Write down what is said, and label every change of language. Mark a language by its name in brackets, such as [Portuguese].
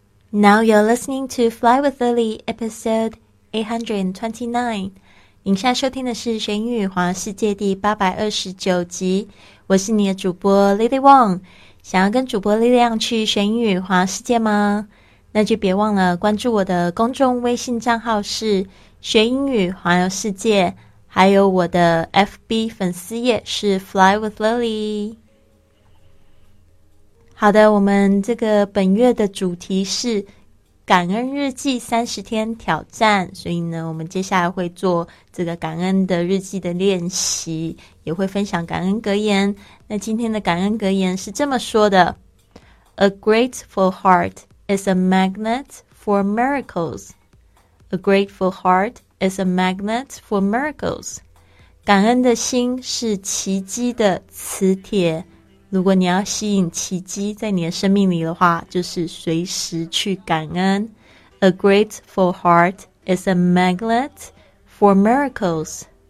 [English] Now you're listening to Fly with Lily, episode 829. [Chinese] 您现在收听的是《学英语环游世界》第829集。我是你的主播 Lily Wong。想要跟主播力量去学英语环游世界吗？那就别忘了关注我的公众微信账号是《学英语环游世界》，还有我的 FB 粉丝页是 Fly with Lily。好的，我们这个本月的主题是感恩日记30天挑战，所以呢我们接下来会做这个感恩的日记的练习，也会分享感恩格言。那今天的感恩格言是这么说的， [English] A grateful heart is a magnet for miracles. A grateful heart is a magnet for miracles. [Chinese] 感恩的心是奇迹的磁铁，如果你要吸引奇迹在你的生命里的话，就是随时去感恩。 [English] A grateful heart is a magnet for miracles.